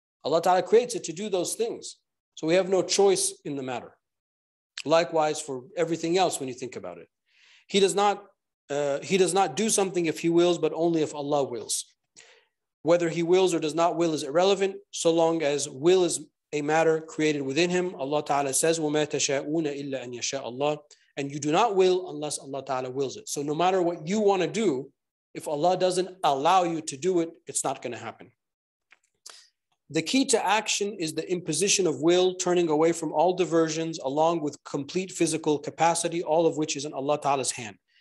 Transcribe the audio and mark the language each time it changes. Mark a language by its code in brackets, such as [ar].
[en] Allah Ta'ala creates it to do those things. So we have no choice in the matter. Likewise for everything else when you think about it. He does not do something if he wills, but only if Allah wills. Whether he wills or does not will is irrelevant, so long as will is a matter created within him. Allah Ta'ala says, [ar] وَمَا تَشَاءُونَ إِلَّا أَنْ يَشَاءَ اللَّهُ. [en] And you do not will unless Allah Ta'ala wills it. So no matter what you want to do, if Allah doesn't allow you to do it, it's not going to happen. The key to action is the imposition of will, turning away from all diversions, along with complete physical capacity, all of which is in Allah Ta'ala's hand.